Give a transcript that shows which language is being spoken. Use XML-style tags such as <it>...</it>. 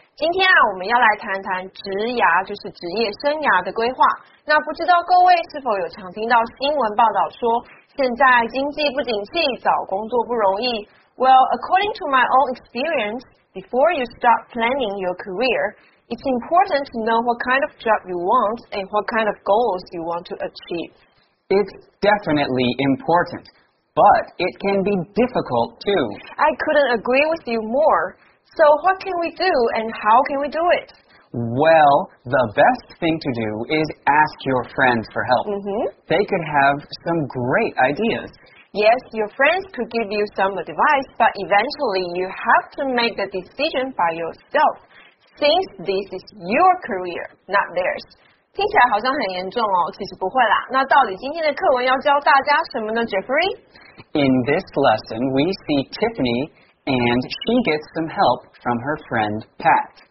<zh>今天啊，我们要来谈谈职涯，就是职业生涯的规划。那不知道各位是否有常听到新闻报道说，现在经济不景气，找工作不容易。</zh> <en>Well, according to my own experience,Before you start planning your career, it's important to know what kind of job you want and what kind of goals you want to achieve. It's definitely important, but it can be difficult too. I couldn't agree with you more. So what can we do and how can we do it? Well, the best thing to do is ask your friends for help. Mm-hmm. They could have some great ideas. Yes, your friends could give you some advice, but eventually you have to make the decision by yourself, since this is your career, not theirs.</en> <zh>听起来好像很严重哦，其实不会啦。那到底今天的课文要教大家什么呢 ，Jeffrey?</zh> <en>In this lesson, we see Tiffany, and she gets some help from her friend Pat.</en>